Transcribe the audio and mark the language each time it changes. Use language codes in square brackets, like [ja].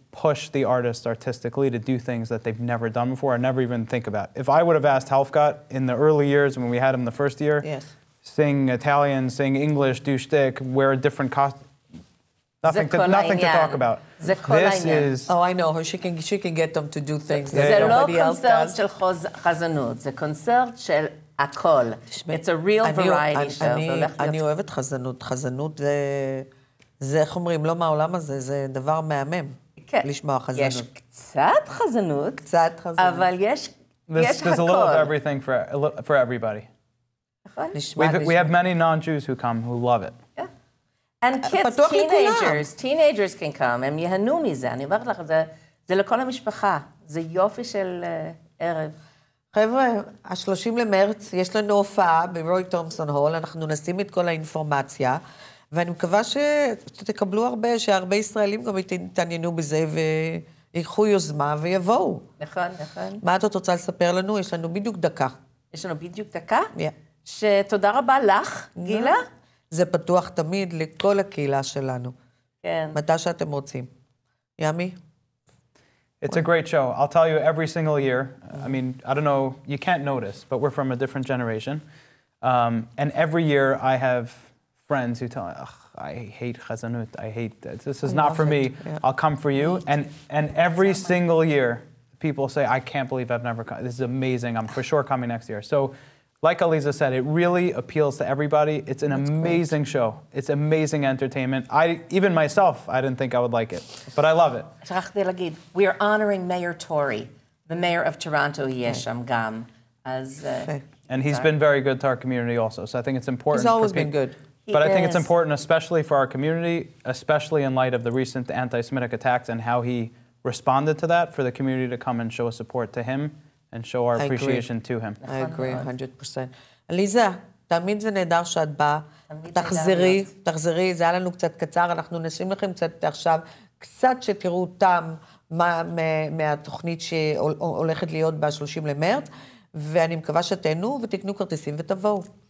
[en] push the artists artistically to do things that they've never done before or never even think about. If I would have asked Helfgott in the early years when we had him the first year, yes, sing Italian, sing English, do shtick, wear a different costume, nothing to talk about. This is... Oh, I know her. She can get them to do things that nobody else does. [he] זה לא קונצרט של חזנות, זה קונצרט של הכל. [en] It's a real variety show. [he] אני אוהבת חזנות. חזנות זה, איך אומרים, לא מהעולם הזה, זה דבר מהמם. לשמוע חזנות. יש קצת חזנות. קצת חזנות. אבל יש הכל. [en] There's a little of everything for everybody. We have many non-Jews who come who love it. And kids, teenagers can come. [he] הם יהנו מזה. אני אומרת לך, זה לכל המשפחה. זה יופי של ערב. חבר'ה, ה-30 למרץ, יש לנו הופעה ברוי תומסון הול. אנחנו נשים את כל האינפורמציה. ואני מקווה שתקבלו הרבה, שהרבה ישראלים גם יתעניינו בזה ויקחו יוזמה ויבואו. נכון, נכון. מה את רוצה לספר לנו? יש לנו בדיוק דקה. יש לנו בדיוק דקה? כן. שתודה רבה לך, גילה. זה פתוח תמיד לכל הקהילה שלנו. כן. מתי שאתם רוצים. ימי? [en] It's a great show. I'll tell you every single year. I mean, I don't know, you can't notice, but we're from a different generation. And every year I have friends who tell me, ugh, I hate chazanut, I hate that. This is not for me. Yeah. I'll come for you. And every single year people say, I can't believe I've never come. This is amazing. I'm for sure coming next year. So, like Aliza said, it really appeals to everybody. It's an amazing show. It's amazing entertainment. I didn't think I would like it, but I love it. [he] שכחתי להגיד, [en] we are honoring Mayor Tory, the mayor of Toronto, [he] Yesham Gam. [en] And he's been very good to our community also, so I think it's important. He's always been good. But I think it's important, especially for our community, especially in light of the recent anti-Semitic attacks and how he responded to that, for the community to come and show support to him. And show our appreciation to him. I agree 100%. [he] Aliza, תמיד זה נהדר שאת באה. תחזרי, זה היה לנו קצת קצר, אנחנו נשים לכם קצת עכשיו, קצת שתראו אותם מהתוכנית שהולכת להיות ב-30 למרץ, ואני מקווה שתהנו ותקנו כרטיסים ותבואו.